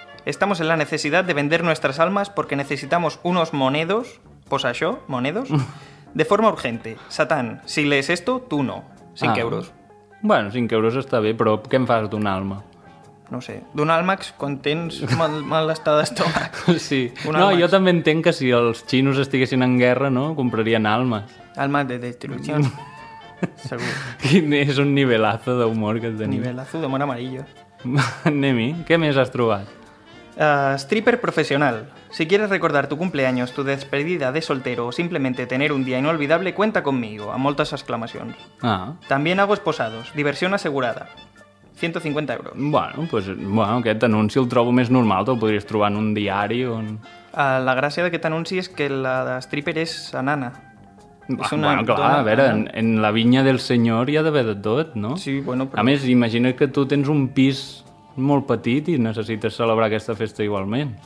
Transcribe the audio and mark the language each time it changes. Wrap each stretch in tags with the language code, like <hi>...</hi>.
<es>Estamos en la necesidad de vender nuestras almas porque necesitamos unos monedos, pues això, monedos, de forma urgente. Satán, si lees esto, tú no. 5 euros.</es> <ca>Bueno, 5 euros està bé, però què en fas d'un alma? No sé, d'un àlmax quan tens mal estar d'estómac. Sí. No, jo també entenc que si els xinos estiguessin en guerra, no? Comprarien almas. Alma de destrucció. Segur. Quin és un nivelazo d'humor que tenim. Nivelazo d'humor amarillo. Nemi, què més has trobat?</ca> <es>Stripper profesional. Si quieres recordar tu cumpleaños, tu despedida de soltero o simplemente tener un día inolvidable, cuenta conmigo,</es> <ca>a moltes exclamacions. Ah.</ca> <es>También hago esposados. Diversión asegurada. 150 euros.</es> <ca>Bueno, pues, bueno, aquest anunci el trobo més normal, te'l podries trobar en un diari o... La gràcia d'aquest anunci és que la stripper és enana. És una bueno, clar, a veure, en la vinya del senyor hi ha d'haver de tot, no? Sí, bueno, però... A més, imagina que tu tens un pis molt petit i necessites celebrar aquesta festa igualment.</ca>